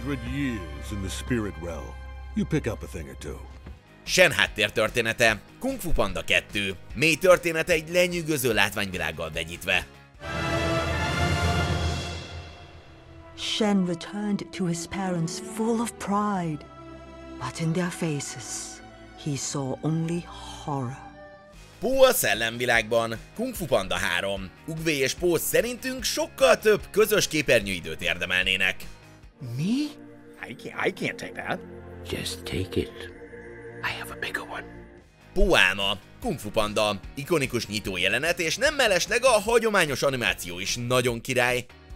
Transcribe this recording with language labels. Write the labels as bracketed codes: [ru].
[en] Years in the spirit realm. You pick up a thing or two. [hu] Shen háttér története. Kung Fu Panda 2. Mély története egy lenyűgöző látványvilággal vegyítve. [en] Shen returned to his parents full of pride, but in their faces he saw only horror. [hu] Po a szellemvilágban, Kung Fu Panda 3. Ugvé és Po szerintünk sokkal több közös képernyőidőt érdemelnének. [en] Me? I can't take that. Just take it. I have a bigger one. [hu] Po álma, Kung Fu Panda, ikonikus nyitó jelenet, és nem mellesleg a hagyományos animáció is nagyon király.